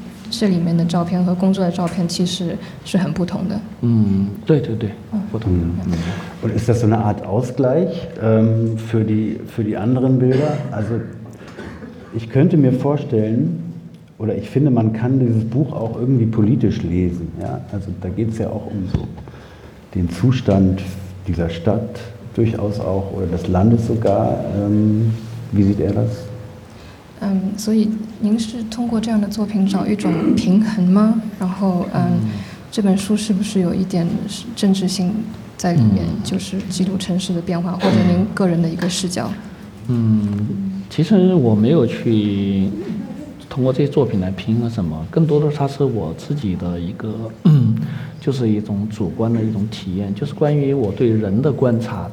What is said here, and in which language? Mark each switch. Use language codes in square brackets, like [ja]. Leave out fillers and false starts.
[zh] 这里面的照片和工作的照片其实是很不同的。嗯，对对对，不同的。 [de] Und ist das so eine Art Ausgleich für die anderen Bilder? Also ich könnte mir vorstellen, oder ich finde, man kann dieses Buch auch irgendwie politisch lesen. Ja? Also da geht es ja auch um so den Zustand dieser Stadt durchaus auch, oder des Landes sogar. Wie sieht er das? [zh] 所以您是通过这样的作品找一种平衡吗？然后，这本书是不是有一点政治性在里面？就是记录城市的变化，或者您个人的一个视角？其实我没有去通过这些作品来平衡什么，更多的它是我自己的一个，就是一种主观的一种体验，就是关于我对人的观察。